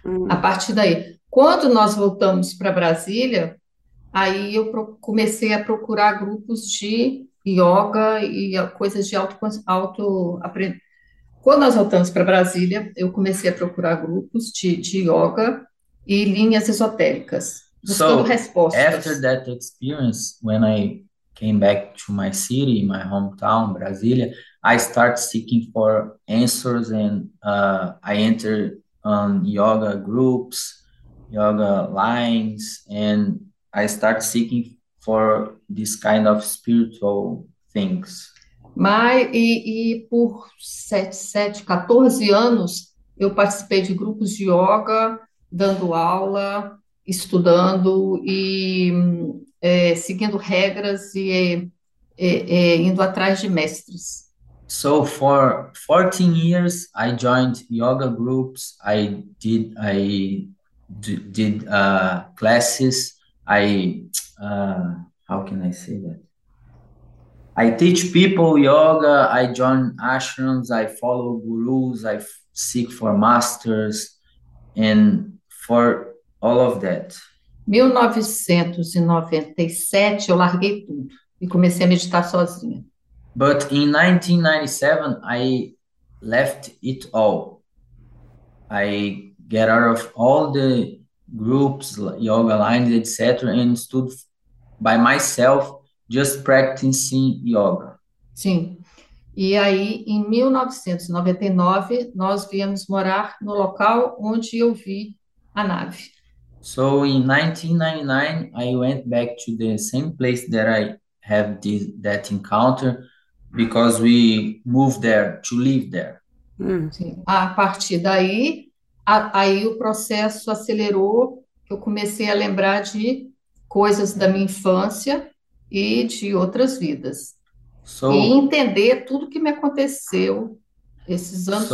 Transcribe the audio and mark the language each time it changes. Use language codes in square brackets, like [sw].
[pt] A partir daí, quando nós voltamos para Brasília, aí eu comecei a procurar grupos de yoga e coisas de auto-aprendizagem. Quando nós voltamos para Brasília, eu comecei a procurar grupos de yoga e linhas esotéricas, buscando [en] So, [pt] respostas. [en] After that experience, when I came back to my city, my hometown, Brasília, I started seeking for answers and I entered on yoga groups, yoga lines, and I started seeking for this kind of spiritual things. [pt] E por 14 anos, eu participei de grupos de yoga, dando aula, estudando e seguindo regras e indo atrás de mestres. [en] So for 14 years, I joined yoga groups, classes, how can I say that? I teach people yoga, I join ashrams, I follow gurus, I seek for masters, and for all of that. [pt] 1997, eu larguei tudo e comecei a meditar sozinha. [en] But in 1997, I left it all. I get out of all the groups, yoga lines, etc., and stood by myself, just practicing yoga. [pt] Sim. E aí, em 1999, nós viemos morar no local onde eu vi a nave. [en] So in 1999, I went back to the same place that I had that encounter because we moved there to live there. [pt] A partir daí, aí o processo acelerou, eu comecei a lembrar de coisas da minha infância e de outras vidas. [en] So, [pt] e entender tudo que me aconteceu esses anos [en] so